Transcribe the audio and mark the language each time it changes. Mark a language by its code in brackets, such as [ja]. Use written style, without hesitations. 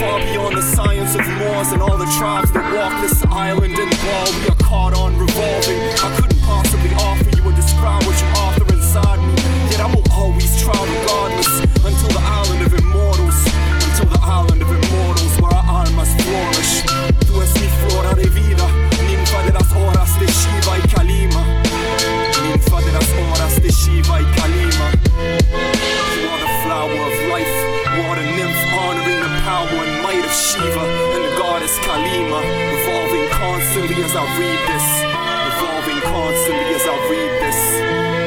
[en] Far beyond the science of Moors and all the tribes that walk this island and wall, we are caught on revolving. I couldn't possibly offer you or describe what you offer inside me. Yet I will always try regardless, until the island of immortals, until the island of immortals, where our iron must flourish. [es] Tu es mi flora de vida, ninfa de las horas de Shiva y Kalima. Ninfa de las horas de Shiva y Kalima. [en] You are the flower of life, water nymph, honoring the power and might of Shiva and the goddess Kalima. Evolving constantly as I read this. Evolving constantly as I read this.